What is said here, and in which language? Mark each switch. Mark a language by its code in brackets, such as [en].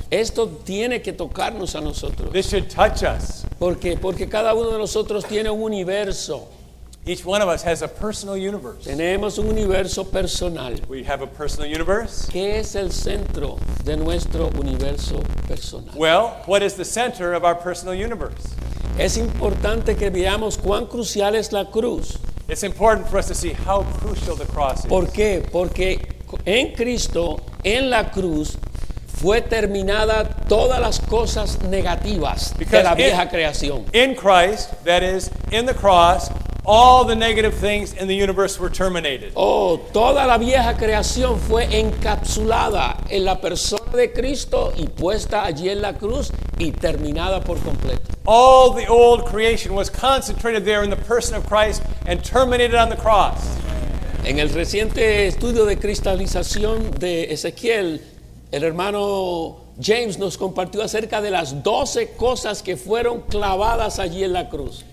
[es] Esto tiene que tocarnos a nosotros. [en] This should touch us. [es] ¿Por qué? Porque cada uno de nosotros tiene un universo. [en] Each one of us has a personal universe. [es] Tenemos un universo personal. [en] We have a personal universe. [es] ¿Qué es el centro de nuestro universo personal? [en] Well, what is the center of our personal universe? [es] Es importante que veamos cuán crucial es la cruz. [en] It's important for us to see how crucial the cross is. [es] ¿Por qué? Porque en Cristo, en la cruz, fue terminada todas las cosas negativas [en] Because [es] de la vieja creación. [en] In Christ, that is, in the cross, all the negative things in the universe were terminated. [es] Oh, toda la vieja creación fue encapsulada en la persona de Cristo y puesta allí en la cruz y terminada por completo. [en] All the old creation was concentrated there in the person of Christ and terminated on the cross. [es] En el reciente estudio de cristalización de Ezequiel, el hermano James nos compartió acerca de las 12 cosas que fueron clavadas allí en la cruz.